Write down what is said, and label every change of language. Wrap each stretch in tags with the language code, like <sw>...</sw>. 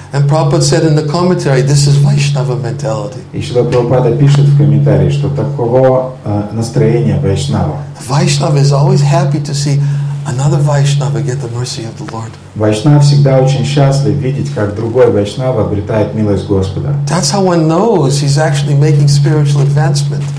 <en>And Prabhupada said in the commentary, this is Vaishnava mentality.</en> <ru>И Шрила Прабхупада пишет в комментарии, что такого настроения Вайшнава.</ru> <en>Vaishnava is always happy to see another Vaishnava get the mercy of the Lord.</en> <ru>Вайшнав всегда очень счастлив видеть, как другой Вайшнава обретает милость Господа.</ru> <en>That's how one knows he's actually making spiritual advancement.</en>